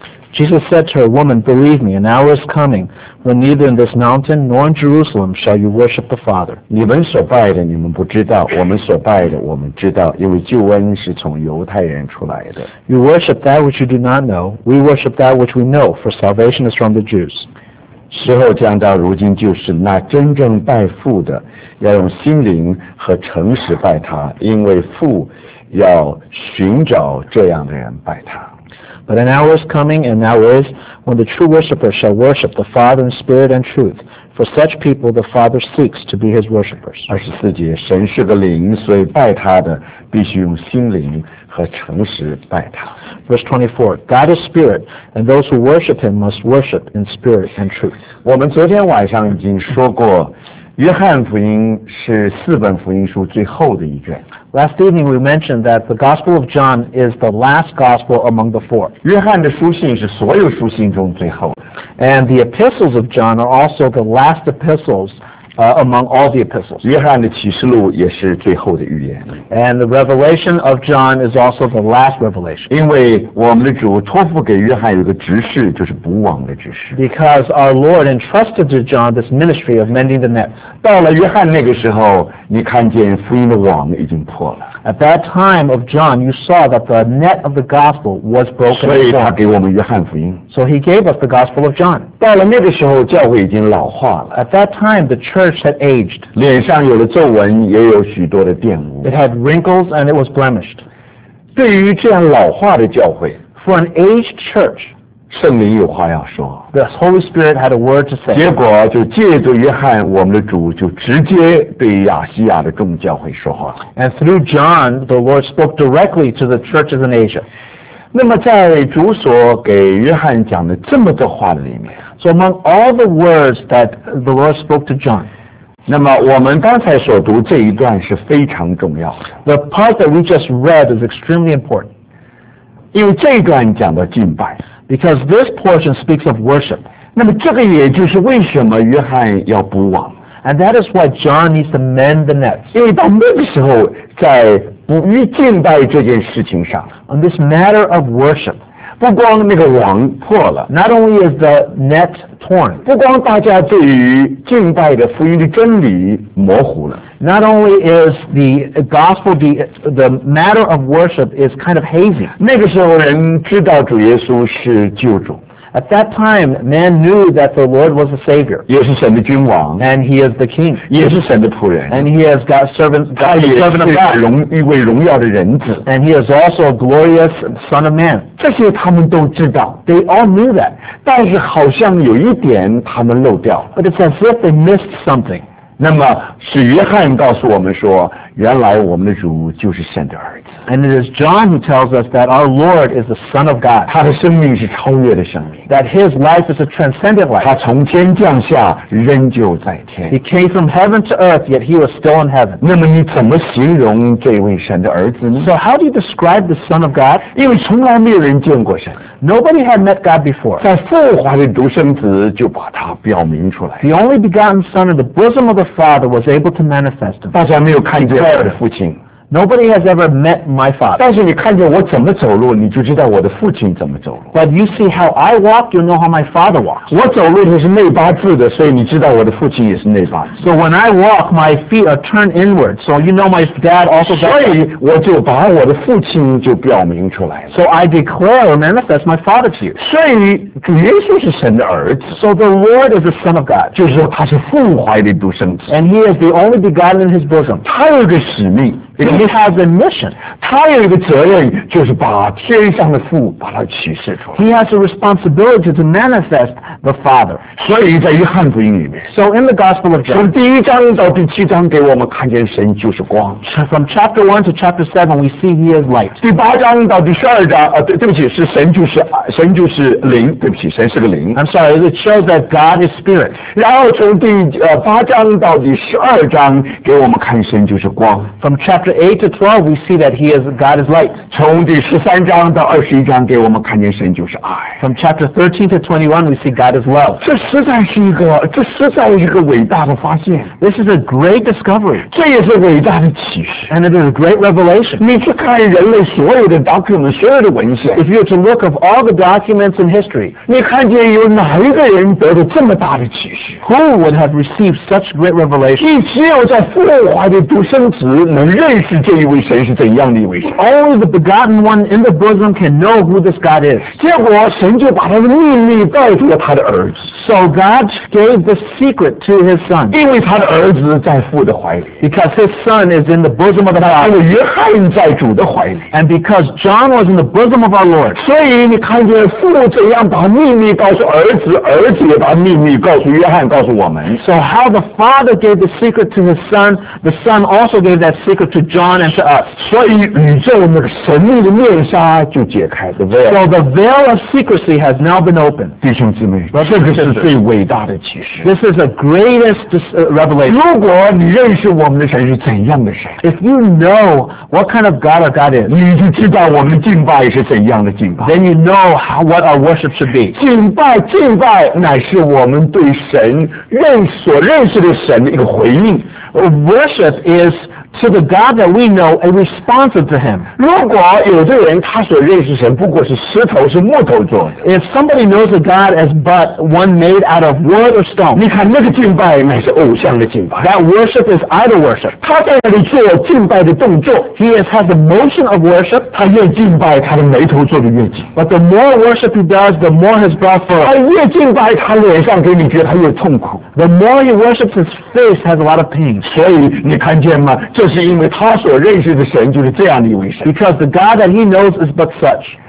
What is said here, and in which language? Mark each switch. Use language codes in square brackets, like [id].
[en] Jesus said to her, Woman, believe me, an hour is coming when neither in this mountain nor in Jerusalem shall you worship the Father. [zh] 你们所拜的你们不知道，我们所拜的我们知道，因为救恩是从犹太人出来的。 [en] You worship that which you do not know, we worship that which we know, for salvation is from the Jews. [zh] 时候将到，如今就是那真正拜父的，要用心灵和诚实拜他，因为父要寻找这样的人拜他。 [en] But an hour is coming, and now is, when the true worshippers shall worship the Father in spirit and truth. For such people the Father seeks to be his worshippers. [zh] 二十四节，神是个灵，所以拜他的必须用心灵和诚实拜他。 [en] Verse 24, God is spirit, and those who worship him must worship in spirit and truth. [zh] 我们昨天晚上已经说过，约翰福音是四本福音书最后的一卷。 [en] Last evening we mentioned that the Gospel of John is the last Gospel among the four. [zh] 约翰的书信是所有书信中最后的。 [en] And the epistles of John are also the last epistles, among all the epistles. [zh] 约翰的启示录也是最后的预言。 [en] And the Revelation of John is also the last Revelation. [zh] 因为我们的主托付给约翰有个执事，就是补网的执事。 [en] Because our Lord entrusted to John this ministry of mending the net. [zh] 到了约翰那个时候你看见福音的网已经破了。 [en] At that time of John, you saw that the net of the gospel was broken. [zh] 所以他给我们约翰福音。 [en] So he gave us the gospel of John. [zh] 到了那个时候教会已经老化了。 [en] At that time, the church had aged. [zh] 脸上有了皱纹也有许多的玷污。 [en] It had wrinkles and it was blemished. [zh] 对于这样老化的教会。 [en] For an aged church, [zh] 圣灵有话要说。 [en] The Holy Spirit had a word to say. [zh] 结果就借着约翰，我们的主就直接对亚细亚的众教会说话。 [en] And through John, the Lord spoke directly to the churches in Asia. [zh] 那么在主所给约翰讲的这么多话里面 [en] ，So among all the words that the Lord spoke to John. [zh] 那么我们刚才所读这一段是非常重要的。 [en] The part that we just read is extremely important. [zh] 因为这一段讲到敬拜。 [en] Because this portion speaks of worship. [zh] 那么这个也就是为什么约翰要补网。 [en] And that is why John needs to mend the nets. [zh] 因为到那个时候在捕鱼敬拜这件事情上。 [en] On this matter of worship. [zh] 不光那个网破了。 [en] Not only is the net torn. [zh] 不光大家对于敬拜的福音的真理模糊了。 [en] Not only is the gospel, the matter of worship is kind of hazy. [zh] 那个时候人知道主耶稣是救主。 [en] At that time, man knew that the Lord was the Savior. [zh] 也是神的君王。 [en] And he is the King. [zh] 也是神的仆人。 [en] And he has got servant, God, the servant of God. [zh] 荣耀的人子。 [en] And he is also a glorious son of man. [zh] 这些他们都知道。 [en] They all knew that. [zh] 但是好像有一点他们漏掉。 [en] But it's as if they missed something. [zh] 那么是约翰告诉我们说原来我们的主就是神的儿子 [en] And it is John who tells us that our Lord is the Son of God [zh] 他的生命是超越的生命 [en] That his life is a transcendent life [zh] 他从天降下仍旧在天 [en] He came from heaven to earth yet he was still in heaven [zh] 那么你怎么形容这位神的儿子呢 [en] So how do you describe the Son of God? [zh] 因为从来没有人见过神 [en] Nobody had met God before. [zh] 在父怀的独生子就把他表明出来。 [en] The only begotten Son in the bosom of the Father was able to manifest him. [zh] 大家没有看见我的父亲。 [en] Nobody has ever met my Father. [zh] 但是你看见我怎么走路，你就知道我的父亲怎么走路。 [en] But you see how I walk, you know how my Father walks. [zh] 我走路是内八字的，所以你知道我的父亲也是内八字。 [en] So when I walk, my feet are turned inward, so you know my dad also. [zh] 所以我就把我的父亲就表明出来了。 [en] So I declare or manifest my Father to you. [zh] 所以主耶稣是神的儿子。 [en] So the Lord is the Son of God. [zh] 就是说他是父怀的独生子。 [en] And he is the only begotten in his bosom. [zh] 他有个使命。 [en] He has a mission. [zh] 他有一个责任，就是把天上的父把他启示出来。 [en] He has a responsibility to manifest the Father. [zh] 所以在约翰福音里面。 [en] So in the Gospel of John. [zh] 从第一章到第七章给我们看见神就是光。 [en] From chapter 1 to chapter 7, we see he is light. [zh] 第八章到第十二章，对不起，是神就是神就是灵，对不起，神是个灵。 [en] I'm sorry, it shows that God is spirit. [zh] 然后从第八章到第十二章给我们看神就是光。 [en] From chapter chapter 8 to 12, we see that God is light. [zh] 从第十三章到二十一章，给我们看见神就是爱。 [en] From chapter 13 to 21, we see God is love. [zh] 这实在是一个伟大的发现。 [en] This is a great discovery. [zh] 这也是伟大的启示。 [en] And it is a great revelation. [zh] 你去看人类所有的 document, 所有的文献。 [en] If you were to look of all the documents in history, [zh] 你看见有哪一个人得到这么大的启示？ [en] Who would have received such great revelation? [zh] 你只有在父怀的独生子能认识这一位神是怎样的一位神。 [en] Only the begotten one in the bosom can know who this God is. [zh] 结果神就把他的秘密告诉了他的儿子。 [en] So God gave the secret to his son. [zh] 因为他的儿子在父的怀里。 [en] Because his son is in the bosom of the Lord. [zh] 因为约翰在主的怀里。 [en] And because John was in the bosom of our Lord. [zh] 所以你看见父怎样把秘密告诉儿子，儿子也把秘密告诉约翰，告诉我们。 [en] So how the Father gave the secret to his son, the son also gave that secret to John and to us. [zh] 所以宇宙那个神秘的面纱就解开了 veil. [en] So the veil of secrecy has now been opened. [zh] 弟兄姊妹，这个是最伟大的启示。 [en] This is the greatest revelation. [zh] 如果你认识我们的神是怎样的神， [en] If you know what kind of God our God is, [zh] 你就知道我们的敬拜是怎样的敬拜。 [en] Then you know what our worship should be. [zh] 敬拜乃是我们对神所认识的神的一个回应。 [en] Worship is to the God that we know a response to Him. [zh] 如果有的人他所认识神不过是石头是木头做的。 [en] If somebody knows a God as but one made out of wood or stone. [zh] 你看那个敬拜乃是偶像的敬拜。 [en] That worship is idol worship. [zh] 他在那里做敬拜的动作。 [en] He has the motion of worship. [zh] 他越敬拜他的眉头做的越紧。 [en] But the more worship he does, the more his brow furrows. [zh] 他越敬拜他脸上给你觉得他越痛苦。 [en] The more he worships, his face has a lot of pain. [zh] 所以你看见吗？这是因为他所认识的神就是这样的一位神。 [en] Because the God that he knows is but such.